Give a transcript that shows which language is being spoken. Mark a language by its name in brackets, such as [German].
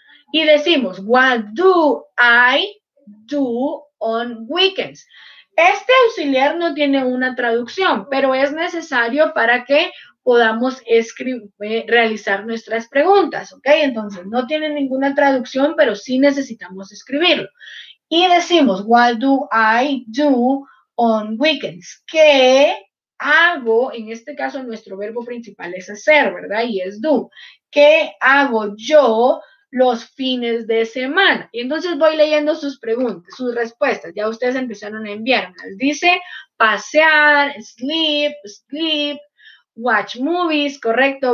[Spanish] Y decimos, [English] what do I do on weekends? [Spanish] Este auxiliar no tiene una traducción, pero es necesario para que podamos realizar nuestras preguntas, ¿ok? Entonces, no tiene ninguna traducción, pero sí necesitamos escribirlo. Y decimos, [English] what do I do on weekends? [Spanish] ¿Qué hago? En este caso, nuestro verbo principal es hacer, ¿verdad? Y es do. ¿Qué hago yo los fines de semana? Y entonces voy leyendo sus preguntas, sus respuestas. Ya ustedes empezaron a enviarlas. Dice, pasear, [English] sleep, watch movies, [Spanish] ¿correcto?